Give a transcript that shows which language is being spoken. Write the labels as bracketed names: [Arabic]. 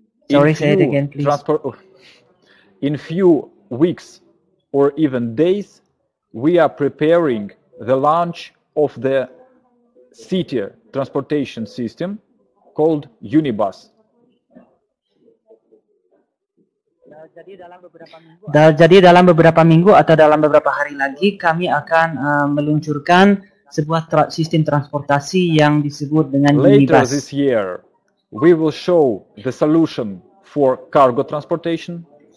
[English] Sorry, say it again, please. In few weeks or even days, we are preparing the launch of the city transportation system called Unibus. [Indonesian] Jadi dalam beberapa minggu atau dalam beberapa hari lagi kami akan meluncurkan sebuah sistem transportasi yang disebut dengan Unibus. [English] Later this year, we will show the solution for cargo transportation.